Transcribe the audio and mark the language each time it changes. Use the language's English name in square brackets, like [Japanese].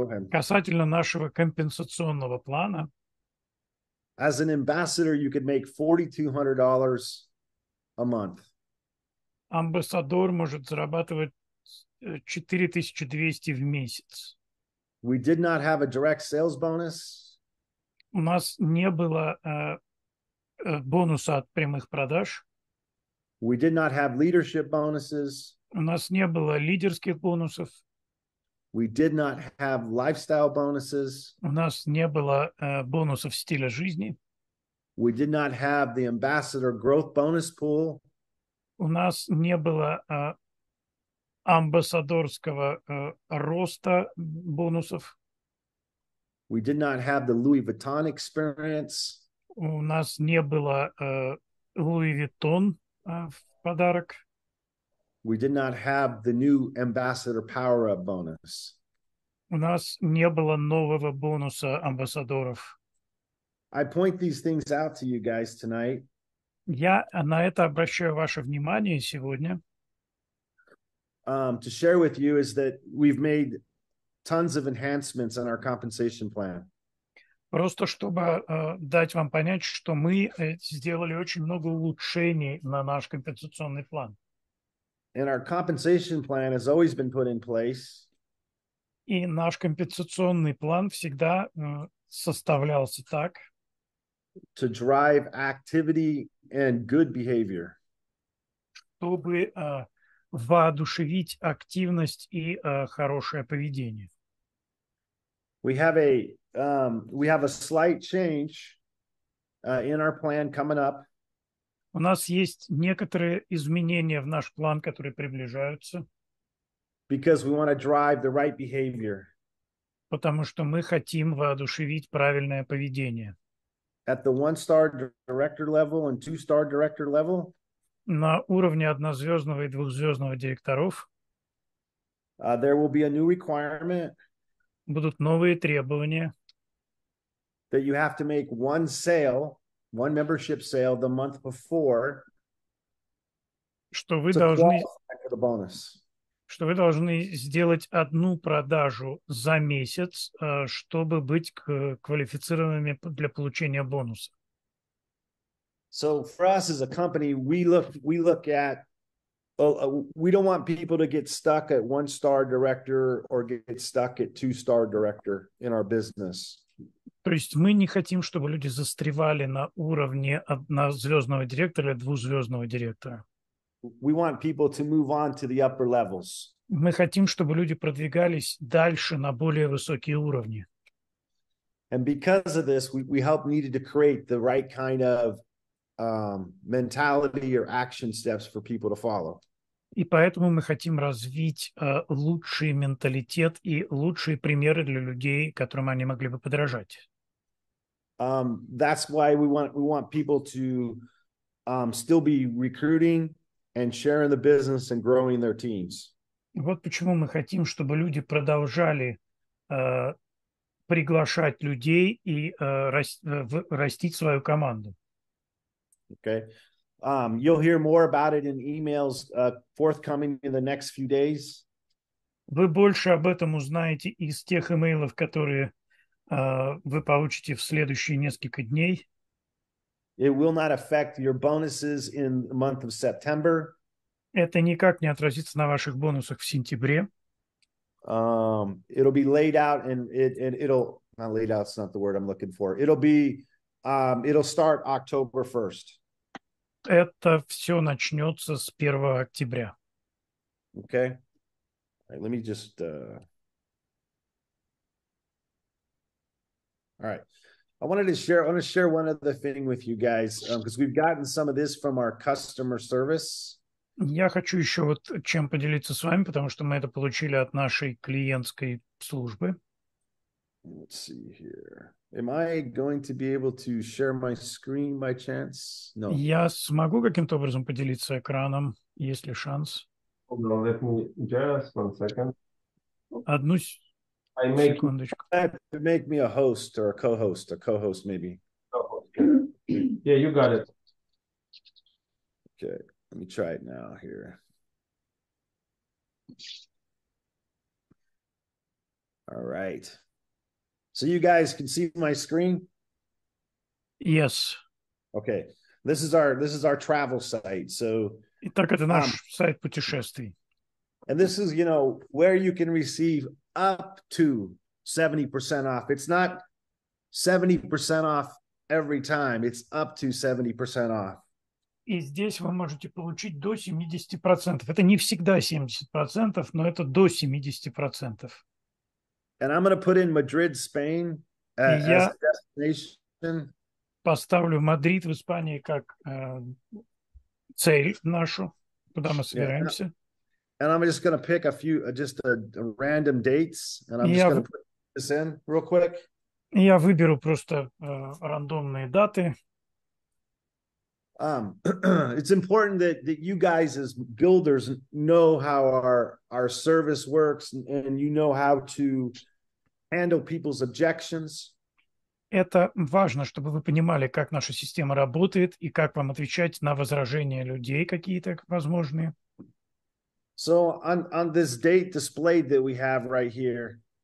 [Russian] Касательно нашего компенсационного плана. [English] As an ambassador, you could make $4,200 a month. [Russian] Амбассадор может зарабатывать 4200 в месяц. [English] We did not have a direct sales bonus. [Russian] У нас не было бонуса от прямых продаж. [English] We did not have leadership bonuses. [Russian] У нас не было лидерских бонусов. [English] We did not have lifestyle bonuses. [Russian] У нас не было бонусов стиля жизни. [English] We did not have the ambassador growth bonus pool. [Russian] У нас не было амбассадорского роста бонусов. [English] We did not have the Louis Vuitton experience. [Russian] У нас не было Louis Vuitton в подарок. [English] We did not have the new ambassador power-up bonus. [Russian] У нас не было нового бонуса амбассадоров. [English] I point these things out to you guys tonight. [Russian] Я на это обращаю ваше внимание сегодня. [English] To share with you is that we've made tons of enhancements in our compensation plan. [Russian] Просто чтобы дать вам понять, что мы сделали очень много улучшений на наш компенсационный план. [English] And our compensation plan has always been put in place. [Russian] И наш компенсационный план всегда составлялся так. [English] To drive activity and good behavior. [Russian] Чтобы воодушевить активность и хорошее поведение. [English] We have a slight change in our plan coming up. [Russian] У нас есть некоторые изменения в наш план, которые приближаются. [English] Because we want to drive the right behavior. [Russian] Потому что мы хотим воодушевить правильное поведение. [English] At the one-star director level and two-star director level. [Russian] На уровне однозвездного и двухзвездного директоров. [English] There will be a new requirement. [Russian] Будут новые требования. [English] That you have to make one sale. One membership sale the month before. [Russian] Что вы должны, сделать одну продажу за месяц, чтобы быть квалифицированными для получения бонуса. [English] So for us as a company, we don't want people to get stuck at one star director or get stuck at two star director in our business. [Russian] То есть мы не хотим, чтобы люди застревали на уровне однозвездного директора или двухзвездного директора. [English] We want people to move on to the upper levels. [Russian] Мы хотим, чтобы люди продвигались дальше на более высокие уровни. [English] And because of this, we help needed to create the right kind of mentality or action steps for people to follow. [Russian] И поэтому мы хотим развить лучший менталитет и лучшие примеры для людей, которым они могли бы подражать. [English] That's why we want people to still be recruiting and sharing the business and growing their teams. [Russian] Вот почему мы хотим, чтобы люди продолжали приглашать людей и растить свою команду. [English] Okay. You'll hear more about it in emails forthcoming in the next few days. [Russian] Вы больше об этом узнаете из тех имейлов, которые вы получите в следующие несколько дней. [English] It will not affect your bonuses in the month of September. [Russian] Это никак не отразится на ваших бонусах в сентябре. [English] It'll be laid out and it'll not laid out, it's not the word I'm looking for. It'll start October 1st. [Russian] Это все начнется с 1 октября. [English] Okay. All right, let me just All right. I want to share one other thing with you guys, because we've gotten some of this from our customer service. [Russian] Я хочу еще вот чем поделиться с вами, потому что мы это получили от нашей клиентской службы. [English] Let's see here. Am I going to be able to share my screen by chance? No. [Russian] Я смогу каким-то образом поделиться экраном, есть ли шанс? [English] Hold on, let me just one second. [Russian] Одну [English] Make me a host or a co-host maybe. Yeah, you got it. Okay, let me try it now here. All right. So you guys can see my screen? Yes. Okay. This is our travel site. So [Russian] Итак, это наш сайт путешествий. [English] And this is, you know, where you can receive up to 70% off. It's not 70% off every time. It's up to 70% off. [Russian] И здесь вы можете получить до 70%. Это не всегда 70%, но это до 70%. [English] And I'm going to put in Madrid, Spain as a destination. [Russian] Поставлю Мадрид в Испании как цель нашу, куда мы собираемся. [English] Yeah. And I'm just going to pick a few, just a random dates, and I'm just going to put this in real quick. [Russian] Я выберу просто рандомные даты. [English] It's important that you guys as builders know how our service works and you know how to handle people's objections. [Russian] Это важно, чтобы вы понимали, как наша система работает и как вам отвечать на возражения людей какие-то возможные. [English] So on this date display that we have right here.